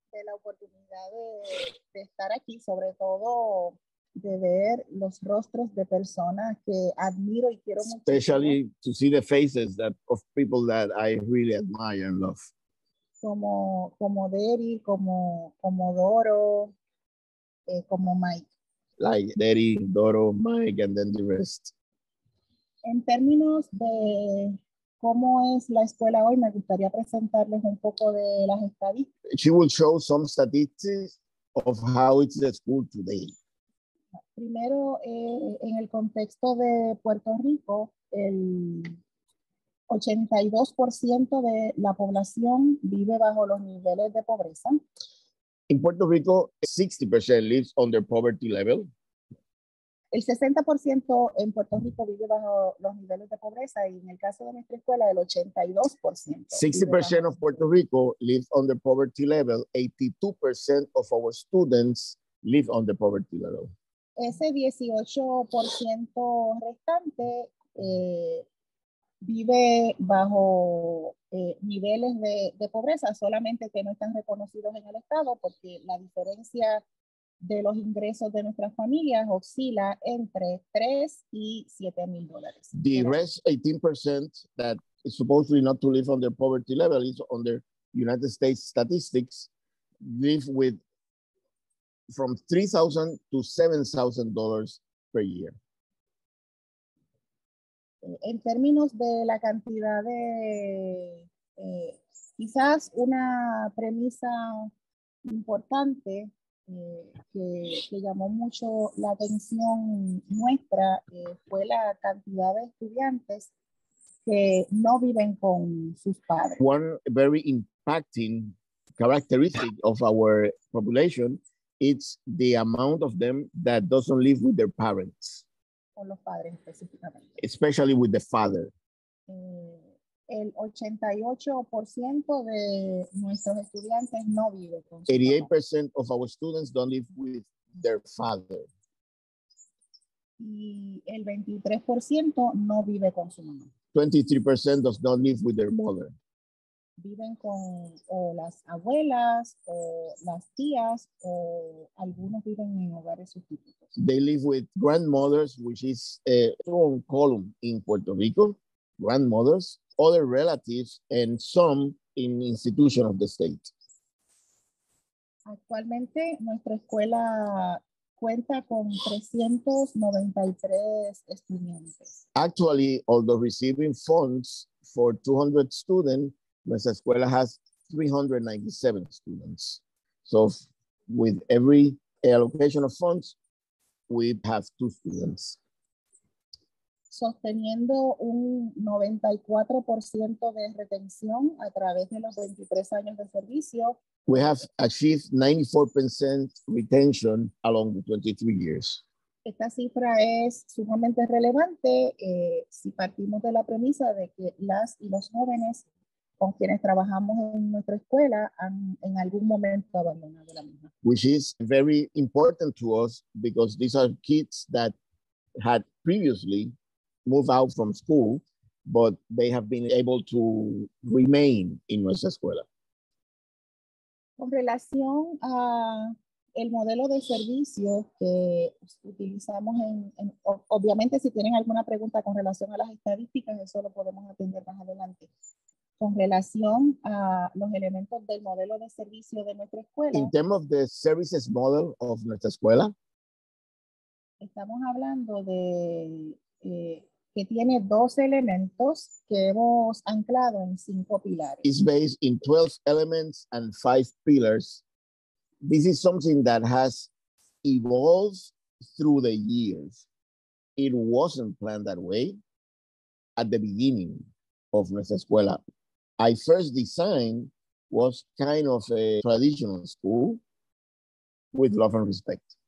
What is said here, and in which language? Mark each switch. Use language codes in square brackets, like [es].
[es] De la oportunidad de estar aquí, sobre todo de ver los rostros de personas que admiro y quiero mucho. [en] Especially to see the faces that of people that I really admire and love. [es] Como Derry, como Doro, como Mike. [en] Like Derry, Doro, Mike, and then the rest. [es] En términos de cómo es la escuela hoy, me gustaría presentarles un poco de las estadísticas. [en] She will show some statistics of how it's the school today. [es] Primero, en el contexto de Puerto Rico, el 82% de la población vive bajo los niveles de pobreza. [en] In Puerto Rico, 60% lives under poverty level. [es] El 60% en Puerto Rico vive bajo los niveles de pobreza y en el caso de nuestra escuela, el 82%. [en] 60% of Puerto Rico live under poverty level. 82% of our students live under poverty level. [es] Ese 18% restante vive bajo niveles de pobreza, solamente que no están reconocidos en el Estado porque la diferencia de los ingresos de nuestras familias oscila entre $3,000 y $7,000. [en] The rest 18% that is supposedly not to live under poverty level is under United States statistics live with from $3,000 to $7,000 per year. [es] En términos de la cantidad de quizás una premisa importante que llamó mucho la atención nuestra fue la cantidad de estudiantes que no viven con sus padres. [en] One very impacting characteristic of our population is the amount of them that doesn't live with their parents. [es] Con los padres específicamente. [en] Especially with the father. [es] El 88% de nuestros estudiantes no vive con su [en] 88% of our students don't live with their father. [es] Y el 23% no vive con su mamá. [en] 23% does not live with their mother. [es] Viven con o las abuelas o las tías o algunos viven en hogares sustitutos. [en] They live with grandmothers, which is a strong column in Puerto Rico. Grandmothers, other relatives, and some in institutions of the state. [es] Actualmente, nuestra escuela cuenta con 393 estudiantes. [en] Actually, although receiving funds for 200 students, nuestra escuela has 397 students. So, with every allocation of funds, we have two students. [es] Sosteniendo un 94% de retención a través de los 23 años de servicio. [en] We have achieved 94% retention along the 23 years. [es] Esta cifra es sumamente relevante si partimos de la premisa de que las y los jóvenes con quienes trabajamos en nuestra escuela han en algún momento abandonado la misma. [en] Which is very important to us because these are kids that had previously move out from school, but they have been able to remain in nuestra escuela. [es] Con relación a el modelo de servicio que utilizamos en obviamente si tienen alguna pregunta con relación a las estadísticas, eso lo podemos atender más adelante. Con relación a los elementos del modelo de servicio de nuestra escuela. [en] In terms of the services model of nuestra escuela. [es] Estamos hablando de que tiene dos elementos que hemos anclado en cinco pilares. [en] It's based in 12 elements and 5 pillars. This is something that has evolved through the years. It wasn't planned that way at the beginning of Nuestra Escuela. I first designed was kind of a traditional school with love and respect.